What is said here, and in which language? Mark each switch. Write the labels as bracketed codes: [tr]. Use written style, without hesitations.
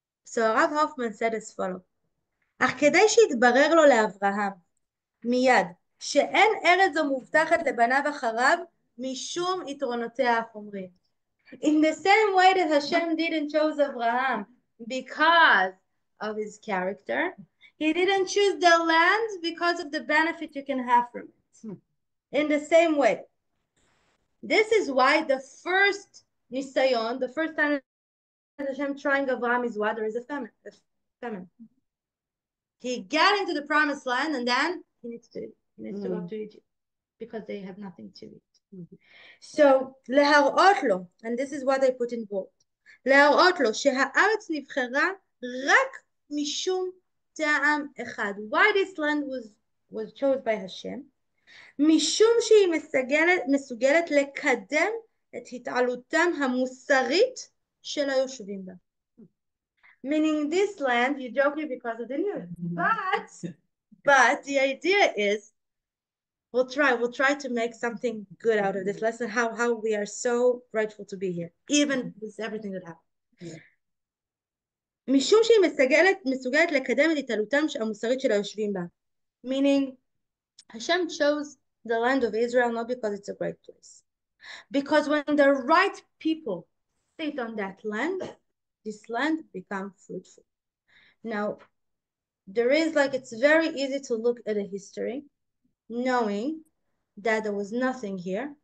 [en] So הרב הופמן said as follows. [he] אך כדי שיתברר לו לאברהם מיד שאין ארץ זו מובטחת לבניו אחריו משום יתרונותיה החומריים. [en] In the same way that Hashem didn't choose Abraham because of his character, he didn't choose the land because of the benefit you can have from it. In the same way. This is why the first Nisayon, the first time Hashem trying Avraham is what? There is a famine. He got into the promised land and then he needs to go to Egypt because they have nothing to eat. [he] So, להראות לו, [en] and this is what I put in bold, [he] להראות לו שהארץ נבחרה רק משום טעם אחד. [en] Why this land was chosen by Hashem? [he] משום שהיא מסוגלת לקדם את התעלותם המוסרית של היושבים בה. [en] Meaning this land, you're joking because of the news. But the idea is, we'll try to make something good out of this lesson, how we are so grateful to be here, even with everything that happened. [he] משום שהיא מסוגלת לקדם את התעלותם המוסרית של היושבים בה. [en] Meaning, Hashem chose the land of Israel not because it's a great place. Because when the right people sit on that land, this land becomes fruitful. Now, there is like, it's very easy to look at a history, knowing that there was nothing here.